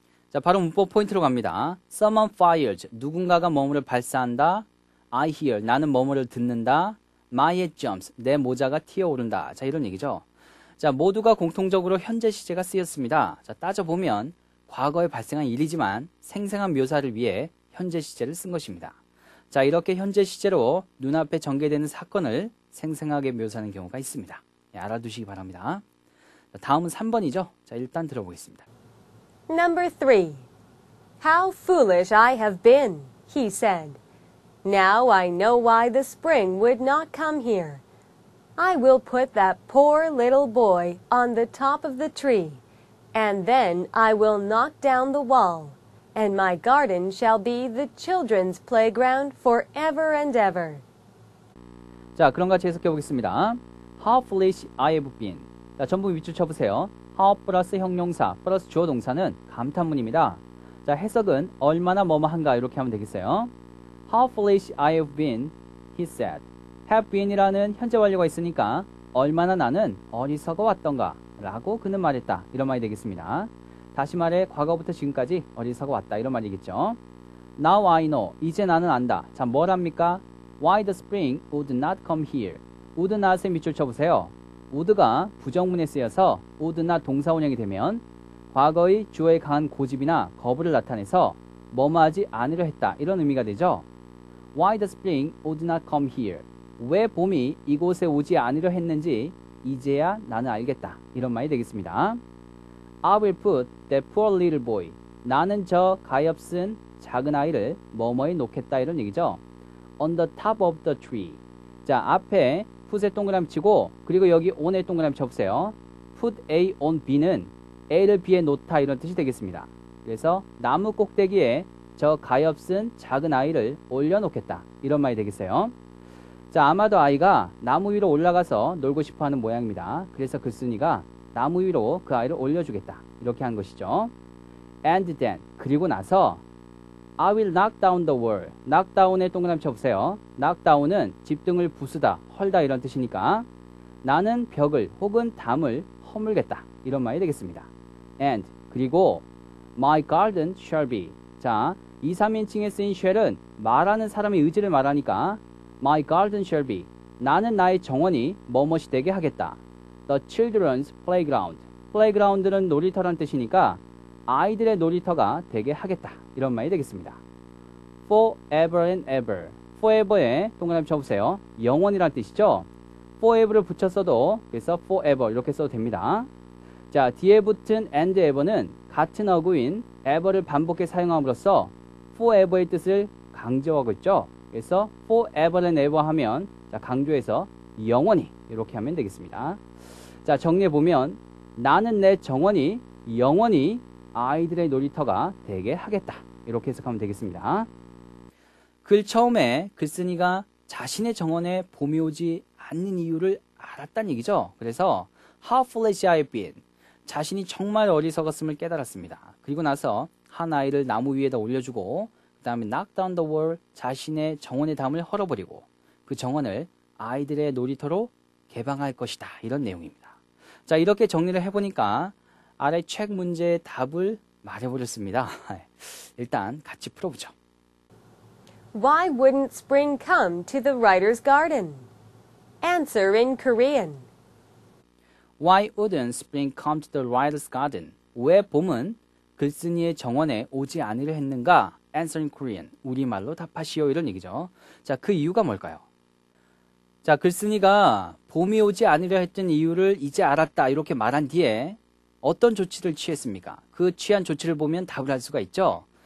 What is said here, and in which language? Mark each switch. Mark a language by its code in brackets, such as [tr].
[ko] 자, 바로 문법 포인트로 갑니다. [en] Someone fires, [ko] 누군가가 뭐뭐를 발사한다. [en] I hear, [ko] 나는 뭐뭐를 듣는다. [en] My head jumps, [ko] 내 모자가 튀어오른다. 자, 이런 얘기죠. 자, 모두가 공통적으로 현재 시제가 쓰였습니다. 자, 따져보면 과거에 발생한 일이지만 생생한 묘사를 위해 현재 시제를 쓴 것입니다. 자, 이렇게 현재 시제로 눈앞에 전개되는 사건을 생생하게 묘사하는 경우가 있습니다. 예, 알아두시기 바랍니다. 자, 다음은 3번이죠. 자, 일단 들어보겠습니다. [en] Number 3. How foolish I have been, he said. Now I know why the spring would not come here. I will put that poor little boy on the top of the tree, and then I will knock down the wall, and my garden shall be the children's playground forever and ever. [ko] 자, 그런 것 같이 해석해 보겠습니다. [en] How foolish I have been. [ko] 자, 전부 밑줄 쳐보세요. How 플러스 형용사 플러스 주어 동사는 감탄문입니다. 자, 해석은 얼마나 뭐뭐한가 이렇게 하면 되겠어요. [en] How foolish I have been, he said. [ko] Have been이라는 현재 완료가 있으니까 얼마나 나는 어리석어 왔던가 라고 그는 말했다. 이런 말이 되겠습니다. 다시 말해 과거부터 지금까지 어리석어 왔다. 이런 말이겠죠. [en] Now I know. [ko] 이제 나는 안다. 자, 뭐랍니까? [en] Why the spring would not come here. [ko] would not의 밑줄 쳐보세요. would가 부정문에 쓰여서 would not 동사원형이 되면 과거의 주어에 강한 고집이나 거부를 나타내서 뭐뭐하지 않으려 했다. 이런 의미가 되죠. [en] Why the spring would not come here. [ko] 왜 봄이 이곳에 오지 않으려 했는지 이제야 나는 알겠다. 이런 말이 되겠습니다. [en] I will put the poor little boy. [ko] 나는 저 가엾은 작은 아이를 뭐뭐에 놓겠다. 이런 얘기죠. [en] On the top of the tree. [ko] 자, 앞에 put에 동그라미 치고 그리고 여기 on에 동그라미 쳐보세요. [en] Put A on B [ko] 는 A를 B에 놓다 이런 뜻이 되겠습니다. 그래서 나무 꼭대기에 저 가엾은 작은 아이를 올려놓겠다. 이런 말이 되겠어요. 자, 아마도 아이가 나무 위로 올라가서 놀고 싶어하는 모양입니다. 그래서 글쓴이가 나무 위로 그 아이를 올려주겠다. 이렇게 한 것이죠. [en] And then, [ko] 그리고 나서 [en] I will knock down the wall. [ko] knock down의 동그라미 쳐보세요. knock down은 집등을 부수다, 헐다 이런 뜻이니까 나는 벽을 혹은 담을 허물겠다. 이런 말이 되겠습니다. [en] And, [ko] 그리고 [en] My garden shall be. [ko] 자, 2, 3인칭에 쓰인 shall은 말하는 사람의 의지를 말하니까 [en] My garden shall be. [ko] 나는 나의 정원이 뭐뭇이 되게 하겠다. [en] The children's playground. [ko] playground는 놀이터란 뜻이니까 아이들의 놀이터가 되게 하겠다. 이런 말이 되겠습니다. [en] Forever and ever. [ko] forever에 동그라미 쳐보세요. 영원이란 뜻이죠. forever를 붙였어도 그래서 forever 이렇게 써도 됩니다. 자, 뒤에 붙은 and ever는 같은 어구인 ever를 반복해 사용함으로써 forever의 뜻을 강조하고 있죠. 그래서 [en] forever and ever [ko] 하면 자, 강조해서 영원히 이렇게 하면 되겠습니다. 자, 정리해보면 나는 내 정원이 영원히 아이들의 놀이터가 되게 하겠다. 이렇게 해석하면 되겠습니다. 글 처음에 글쓴이가 자신의 정원에 봄이 오지 않는 이유를 알았다는 얘기죠. 그래서 [en] How foolish I have been. [ko] 자신이 정말 어리석었음을 깨달았습니다. 그리고 나서 한 아이를 나무 위에다 올려주고 그 다음에 [en] knock down the wall [ko] 자신의 정원의 담을 헐어버리고 그 정원을 아이들의 놀이터로 개방할 것이다. 이런 내용입니다. 자, 이렇게 정리를 해보니까 아래 책 문제의 답을 말해버렸습니다. 일단 같이 풀어보죠. [en] Why wouldn't spring come to the writer's garden? Answer in Korean. Why wouldn't spring come to the writer's garden? [ko] 왜 봄은 글쓴이의 정원에 오지 않으려 했는가? [en] Answer in Korean. [ko] 우리말로 답하시오. 이런 얘기죠. 자, 그 이유가 뭘까요? 자, 글쓴이가 봄이 오지 않으려 했던 이유를 이제 알았다. 이렇게 말한 뒤에 어떤 조치를 취했습니까? 그 취한 조치를 보면 답을 할 수가 있죠.